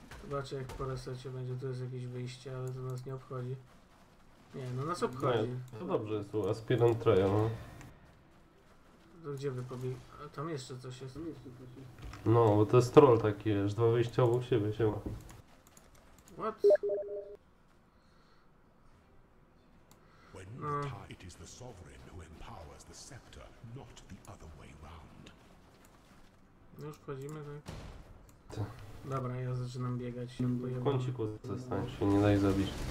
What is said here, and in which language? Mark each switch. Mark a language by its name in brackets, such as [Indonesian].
[Polish] Zobaczę jak po resecie będzie, tu jest jakieś wyjście, ale to nas nie obchodzi. Nie, no nas obchodzi. Nie, to dobrze jest, tu aspirant trail, no. To gdzie by pobiegł? Tam jeszcze coś jest. No, bo to jest troll taki, że dwa wyjścia obok siebie się ma. [English] When it is the sovereign who empowers the scepter, not the other way round. [Polish] Już wchodzimy, tak? Dobra, ja zaczynam biegać. W kąciku zostań się, nie daj zabić.